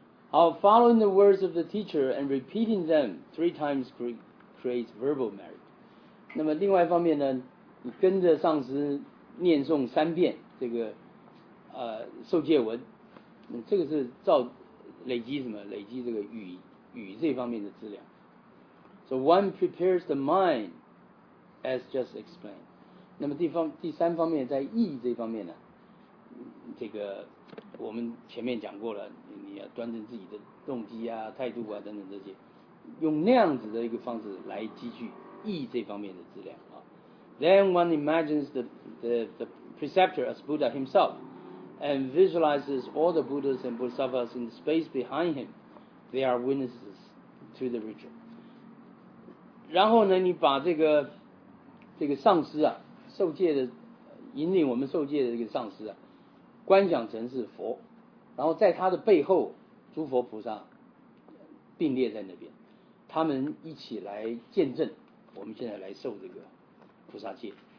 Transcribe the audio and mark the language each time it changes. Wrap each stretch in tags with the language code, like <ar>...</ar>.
<en>好 ，following the words of the teacher and repeating them three times creates verbal merit。</en> <zh>那么另外一方面呢，你跟着上师念诵三遍这个受戒文，这个是累积什么？累积这个语这方面的资粮。 So one prepares the mind as just explained。那么第三方面在意义这方面呢，这个我们前面讲过了，你要端正自己的动机啊、态度啊等等这些，用那样子的一个方式来积聚意义这方面的资料啊。</zh> <en>Then one imagines the preceptor as Buddha himself, and visualizes all the Buddhas and Bodhisattvas in the space behind him. They are witnesses to the ritual.</en> <zh>然后呢，你把这个上师啊，受戒的引领我们受戒的这个上师啊，观想成是佛，然后在他的背后，诸佛菩萨并列在那边，他们一起来见证我们现在来受这个菩萨戒。</zh>